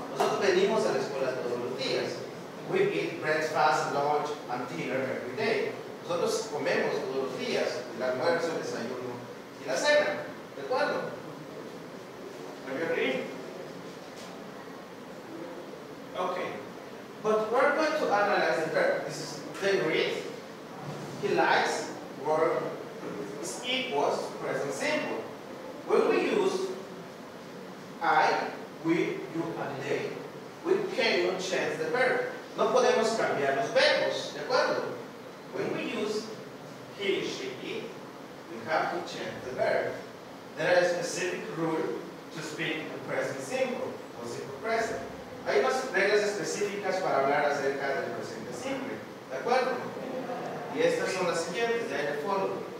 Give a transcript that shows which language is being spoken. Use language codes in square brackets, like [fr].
[es] Nosotros venimos a la escuela todos los días. [en] We eat breakfast, lunch, and dinner every day. [es] Nosotros comemos todos los días, el almuerzo, el desayuno y la cena. ¿De acuerdo? Okay. [en] But we're going to analyze the verb. This is they read, he likes, work, is equals present simple. When we use I, we, you, and they, we cannot change the verb. [es] No podemos cambiar los verbos, ¿de acuerdo? [en] When we use he, she, it, we have to change the verb. There is a specific rule to speak the present simple, or simple present. [es] Hay unas reglas específicas para hablar acerca del presente simple. ¿De acuerdo? Y estas son las siguientes, de ahí de fondo.